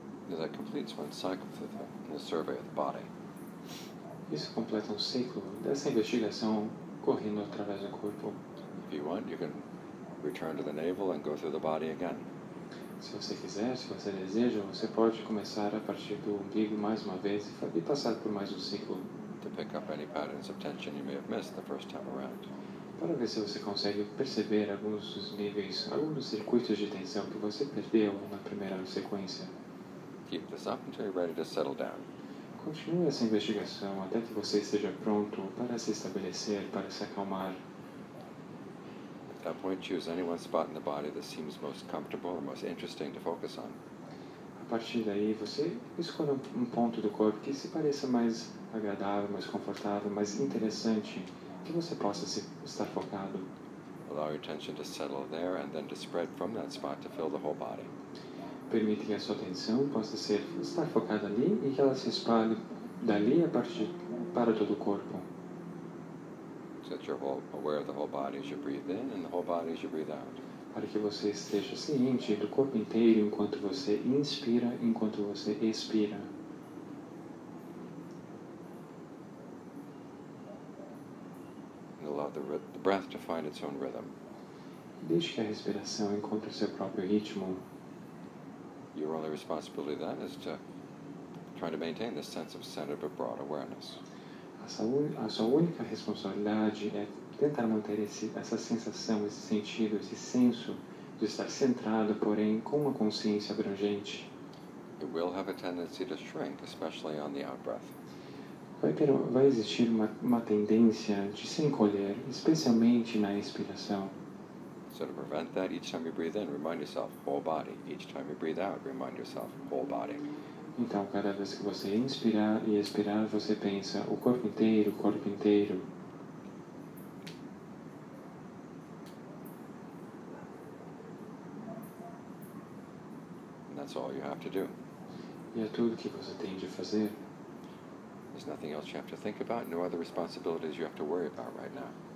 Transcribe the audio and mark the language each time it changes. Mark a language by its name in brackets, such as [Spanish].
[English] That completes one cycle of the survey of the body. [Portuguese] Isso completa ciclo dessa investigação correndo através do corpo. [English] If you want, you can return to the navel and go through the body again. [Portuguese] Se você quiser, se você deseja, você pode começar a partir do umbigo mais uma vez e passar por mais ciclo. [English] To pick up any patterns of tension you may have missed the first time around. [Portuguese] Para ver se você consegue perceber alguns níveis, alguns circuitos de tensão que você perdeu na primeira sequência. [English] Keep this up until you're ready to settle down. [Portuguese] Continue essa investigação até que você esteja pronto para se estabelecer, para se acalmar. [English] At that point, choose any one spot in the body that seems most comfortable or most interesting to focus on. [Portuguese] A partir daí, você escolha ponto do corpo que se pareça mais agradável, mais confortável, mais interessante, que você possa estar focado. [English] Allow your attention to settle there and then to spread from that spot to fill the whole body. [Portuguese] Permite que a sua atenção possa estar focada ali e que ela se espalhe dali a partir para todo o corpo. Para que você esteja ciente do corpo inteiro enquanto você inspira, enquanto você expira. [English] Allow the breath to find its own rhythm. [Portuguese] Deixe que a respiração encontre seu próprio ritmo. [English] Your only responsibility then is to try to maintain this sense of centered but broad awareness. [Portuguese] A sua única responsabilidade é tentar manter essa sensação, esse sentido, esse senso de estar centrado, porém com uma consciência abrangente. [English] It will have a tendency to shrink, especially on the out-breath. [Portuguese] Vai existir uma tendência de se encolher, especialmente na expiração. [English] So to prevent that, each time you breathe in, remind yourself whole body. Each time you breathe out, remind yourself whole body. [Portuguese] Então, cada vez que você inspirar e expirar, você pensa o corpo inteiro, o corpo inteiro. [English] And that's all you have to do. [Portuguese] E é tudo que você tem de fazer. [English] There's nothing else you have to think about, no other responsibilities you have to worry about right now.